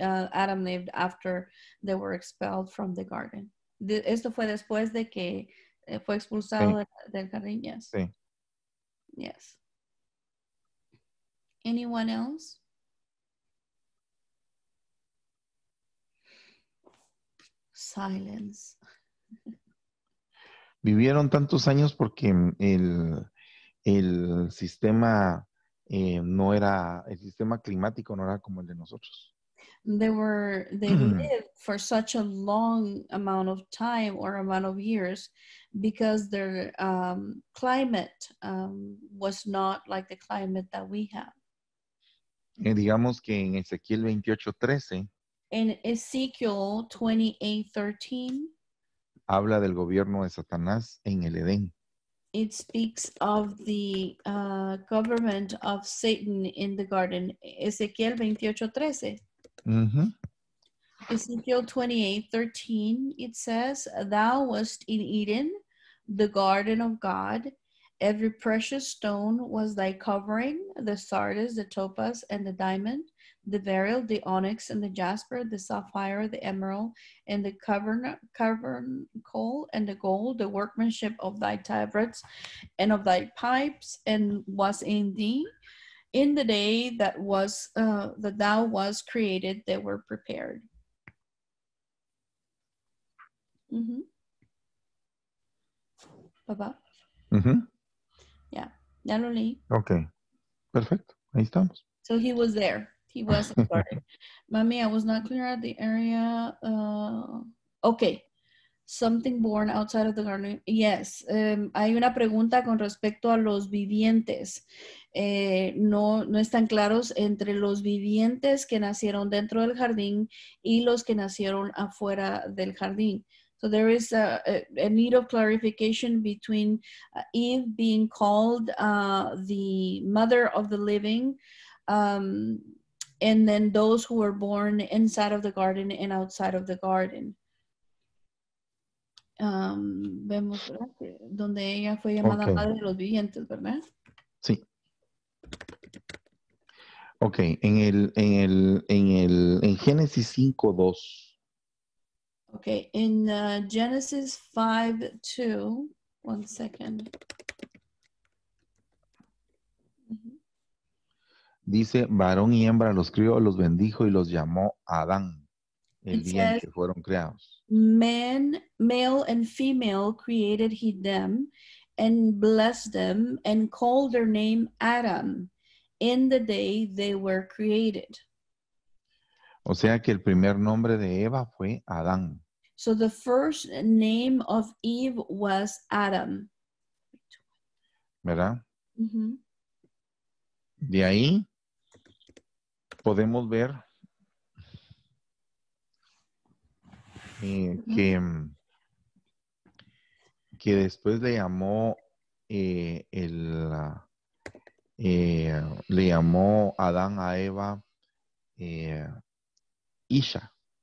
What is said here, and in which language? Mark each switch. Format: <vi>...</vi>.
<en>Adam lived after they were expelled from the garden.</en> <es>Esto fue después de que fue expulsado del jardín.</es> <en>Yes.</en> <es>Sí.</es> <en>Yes. Anyone else? Silence.</en> <es>Vivieron tantos años porque el sistema no era, el sistema climático no era como el de nosotros.</es> <en>They lived for such a long amount of time or amount of years because their climate was not like the climate that we have.</en> <es>Y digamos que en Ezequiel 28:13.</es> <en>In Ezekiel 28:13.</en> <es>Habla del gobierno de Satanás en el Edén.</es> <en>It speaks of the government of Satan in the garden. Ezekiel 28:13. Mm-hmm. Ezekiel 28:13, it says, "Thou wast in Eden, the garden of God. Every precious stone was thy covering, the sardis, the topaz, and the diamond, the beryl, the onyx, and the jasper, the sapphire, the emerald, and the cavern coal, and the gold, the workmanship of thy tabrets, and of thy pipes, and was in thee. In the day that was that thou was created, they were prepared." Mm-hmm. Baba? Mm-hmm. Yeah. Natalie. Okay. Perfect.</en> <es>Ahí estamos.</es> <en>So he was there. He was in the garden. Mommy, I was not clear at the area. Okay. Something born outside of the garden. Yes.</en> <es>Hay una pregunta con respecto a los vivientes. No están claros entre los vivientes que nacieron dentro del jardín y los que nacieron afuera del jardín.</es> <en>So there is a need of clarification between Eve being called the mother of the living, and then those who were born inside of the garden and outside of the garden.</en> <es>Vemos, ¿verdad? Donde ella fue llamada madre de los vivientes, ¿verdad? Sí. Okay, en Génesis 5:2.</es> <en>Okay, in Genesis 5:2, one second.</en> <es>Dice, varón y hembra los crió, los bendijo y los llamó Adán, el día en que fueron creados.</es> <en>Man, male and female created he them and blessed them and called their name Adam in the day they were created.</en> <es>O sea que el primer nombre de Eva fue Adán.</es> <en>So the first name of Eve was Adam.</en> <es>¿Verdad? Mm-hmm. De ahí podemos ver que después le llamó le llamó Adán a Eva Isha.</es>